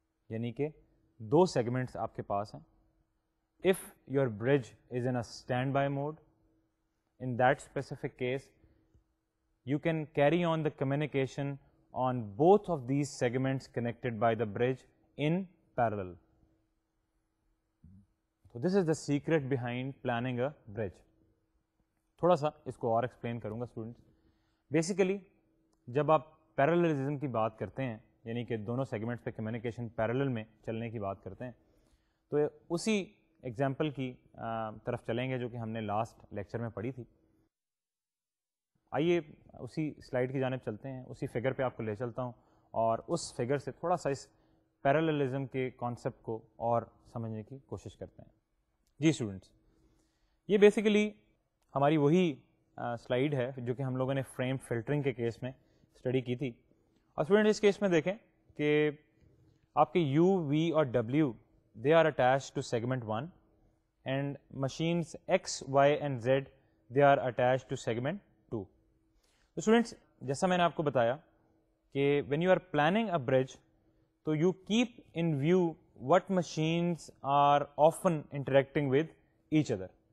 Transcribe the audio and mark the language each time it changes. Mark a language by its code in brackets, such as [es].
[ur] یعنی کہ دو سیگمنٹس آپ کے پاس ہیں [en] If your bridge is in a standby mode, in that specific case, you can carry on the communication on both of these segments connected by the bridge in parallel. So this is the secret behind planning a bridge. [ur] Thoda sa isko aur explain karunga students. Basically, jab aap parallelism ki baat karte hain, yani ke dono segments pe communication parallel mein chalne ki baat karte hain, to usi example کی طرف چلیں گے جو کہ ہم نے last lecture میں پڑھی تھی آئیے اسی سلائڈ کی جانب چلتے ہیں اسی فگر پہ آپ کو لے چلتا ہوں اور اس فگر سے تھوڑا سا اس پیرللزم کے کانسیپٹ کو اور سمجھنے کی کوشش کرتے ہیں جی اسٹوڈنٹس یہ بیسیکلی ہماری وہی سلائڈ ہے جو کہ ہم لوگوں نے فریم فلٹرنگ کے کیس میں اسٹڈی کی تھی اور اسٹوڈنٹس اس کیس میں دیکھیں کہ آپ کے یو وی اور W [en] they are attached to segment 1 and machines X, Y and Z they are attached to segment 2. So students, [ur] jaisa maine aapko bataya ke [en] when you are planning a bridge to you keep in view what machines are often interacting with each other.